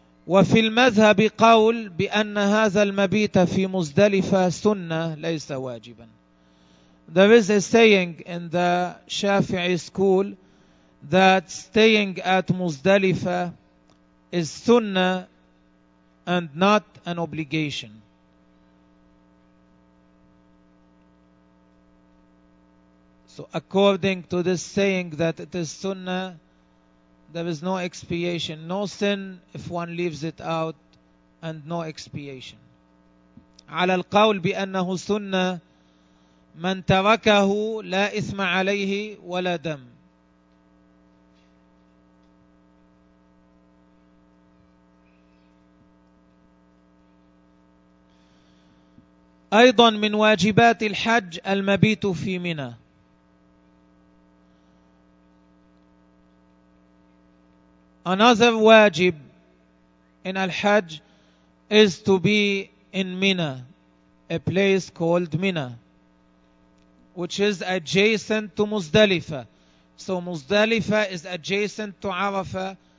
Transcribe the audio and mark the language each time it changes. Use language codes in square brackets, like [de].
[ar] وفي المذهب قول بأن هذا المبيت في مزدلفة سنة ليس واجبا. [en] There is a saying in the Shafi'i school that staying at Muzdalifah is sunnah and not an obligation. So according to this saying that it is sunnah, there is no expiation, no sin if one leaves it out, and no expiation. [ar] على القول بأنه سنة من تركه لا إثم عليه ولا دم. أيضا من واجبات الحج المبيت في منى. [en] Another wajib in Al-Hajj is to be in Mina, a place called Mina, which is adjacent to Muzdalifah. So Muzdalifah is adjacent to Arafah.